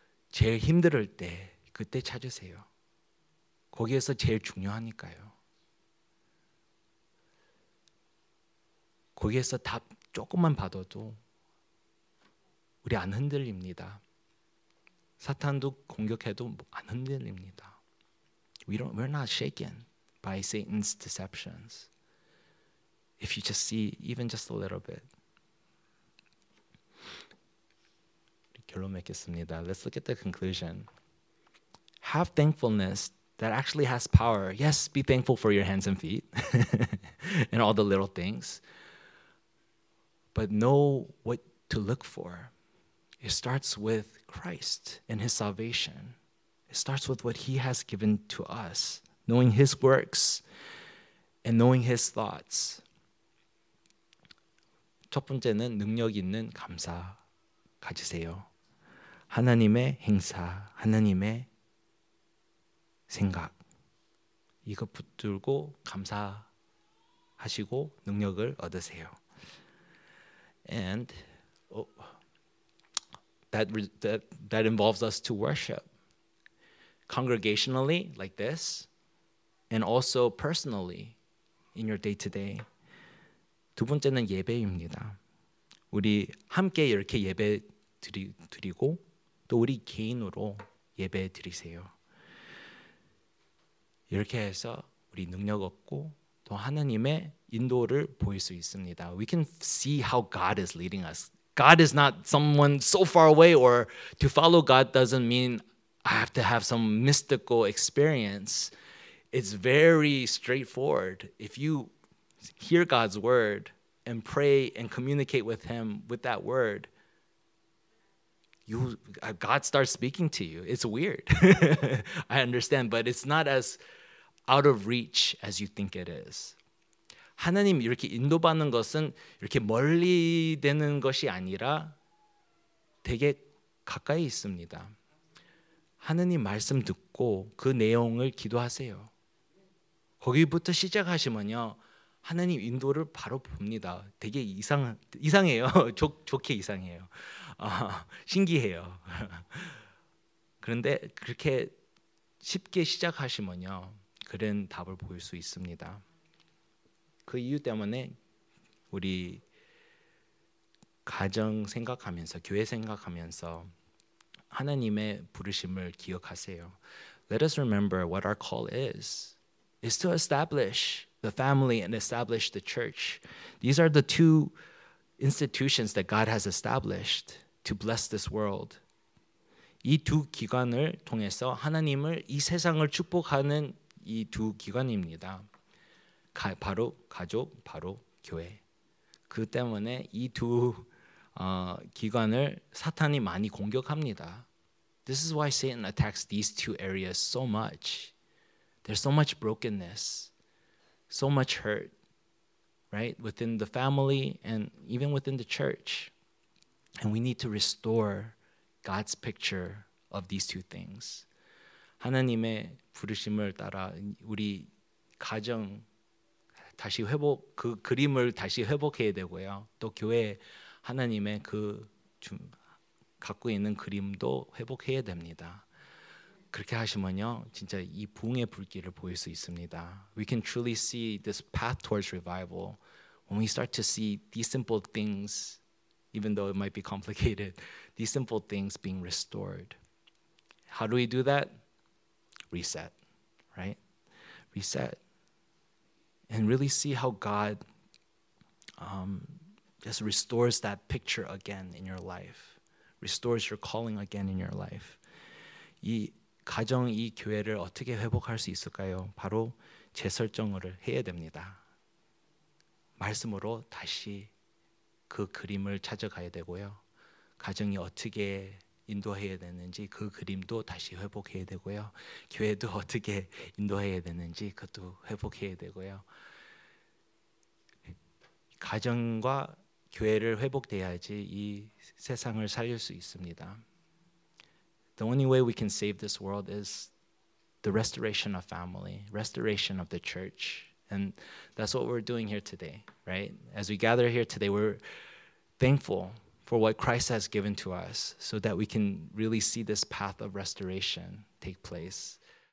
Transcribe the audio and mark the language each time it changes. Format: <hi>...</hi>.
<ko>제일 힘들을 때 그때 찾으세요. 거기에서 제일 중요하니까요. 거기에서 답 조금만 받아도 우리 안 흔들립니다. 사탄도 공격해도 안 흔들립니다.</ko> <en>We're not shaken by Satan's deceptions. If you just see even just a little bit.</en> <ko>결론 맺겠습니다.</ko> <en>Let's look at the conclusion. Have thankfulness that actually has power. Yes, be thankful for your hands and feet and all the little things. But know what to look for. It starts with Christ and his salvation. It starts with what he has given to us, knowing his works and knowing his thoughts.</en> <ko>첫 번째는 능력 있는 감사 가지세요. 하나님의 행사, 하나님의 생각. 이거 붙들고 감사하시고 능력을 얻으세요.</ko> <en>And that involves us to worship congregationally like this and also personally in your day-to-day.</en> <ko>두 번째는 예배입니다. 우리 함께 이렇게 예배 드리고 또 우리 개인으로 예배 드리세요. 이렇게 해서 우리 능력 얻고 또 하나님의 인도를 보일 수 있습니다.</ko> <en>We can see how God is leading us. God is not someone so far away, or to follow God doesn't mean I have to have some mystical experience. It's very straightforward. If you hear God's word and pray and communicate with him with that word, God starts speaking to you. It's weird. I understand, but it's not as out of reach as you think it is.</en> <ko>하나님 이렇게 인도받는 것은 이렇게 멀리 되는 것이 아니라 되게 가까이 있습니다. 하나님 말씀 듣고 그 내용을 기도하세요. 거기부터 시작하시면요, 하나님 인도를 바로 봅니다. 되게 이상해요. 좋게 이상해요. 신기해요. 그런데 그렇게 쉽게 시작하시면요, 그런 답을 보일 수 있습니다. 그 이유 때문에 우리 가정 생각하면서 교회 생각하면서 하나님의 부르심을 기억하세요.</ko> <en>Let us remember what our call is to establish the family and establish the church. These are the two institutions that God has established to bless this world.</en> <ko>이 두 기관을 통해서 하나님을 이 세상을 축복하는 이 두 기관입니다. 바로 가족, 바로 교회. 그 때문에 이 두 기관을 사탄이 많이 공격합니다.</ko> <en>This is why Satan attacks these two areas so much. There's so much brokenness, so much hurt, right? Within the family and even within the church. And we need to restore God's picture of these two things.</en> <ko>하나님의 부르심을 따라 우리 가정 다시 회복, 그 그림을 다시 회복해야 되고요. 또 교회 하나님의 그 갖고 있는 그림도 회복해야 됩니다. 그렇게 하시면요, 진짜 이 부흥의 불길을 보일 수 있습니다.</ko> <en>We can truly see this path towards revival when we start to see these simple things, even though it might be complicated, these simple things being restored. How do we do that? Reset, right? Reset. And really see how God just restores that picture again in your life. Restores your calling again in your life.</en> <ko>이 가정, 이 교회를 어떻게 회복할 수 있을까요? 바로 재설정을 해야 됩니다. 말씀으로 다시 그 그림을 찾아가야 되고요. 가정이 어떻게 인도해야 되는지 그 그림도 다시 회복해야 되고요. 교회도 어떻게 인도해야 되는지 그것도 회복해야 되고요. 가정과 교회를 회복돼야지 이 세상을 살릴 수 있습니다.</ko> <en>The only way we can save this world is the restoration of family, restoration of the church. And that's what we're doing here today, right? As we gather here today, we're thankful for what Christ has given to us so that we can really see this path of restoration take place.</en>